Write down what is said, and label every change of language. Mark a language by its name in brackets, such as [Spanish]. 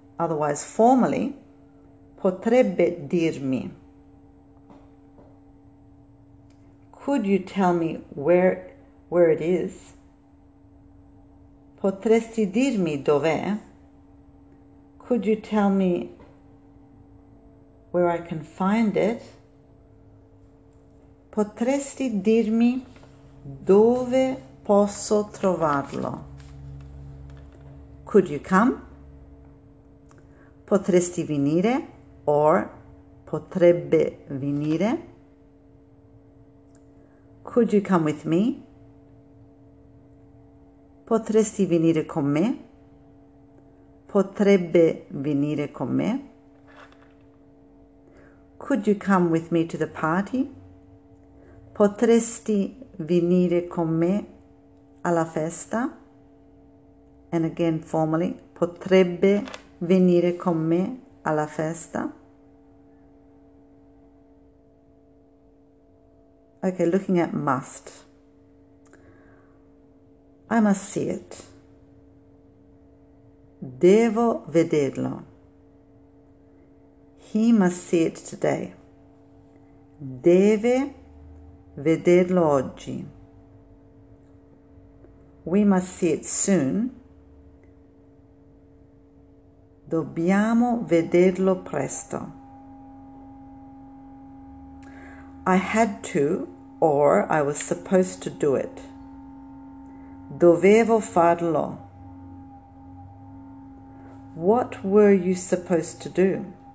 [English] Otherwise, formally, [Italian] potrebbe dirmi. [English] Could you tell me where it is? [Italian] Potresti dirmi dov'è? [English] Could you tell me where I can find it? [Italian] Potresti dirmi dove posso trovarlo? [English] Could you come? [Italian] Potresti venire, [English] or [Italian] potrebbe venire. [English] Could you come with me? [Italian] Potresti venire con me. Potrebbe venire con me. [English] Could you come with me to the party? [Italian] Potresti venire con me alla festa. [English] And again, formally, [Italian] potrebbe venire con me alla festa. [English] Okay, looking at must. I must see it. [Italian] Devo vederlo. [English] He must see it today. [Italian] Deve vederlo oggi. [English] We must see it soon. [Italian] Dobbiamo vederlo presto. [English] I had to, or I was supposed to do it. [Italian] Dovevo farlo. [English] What were you supposed to do?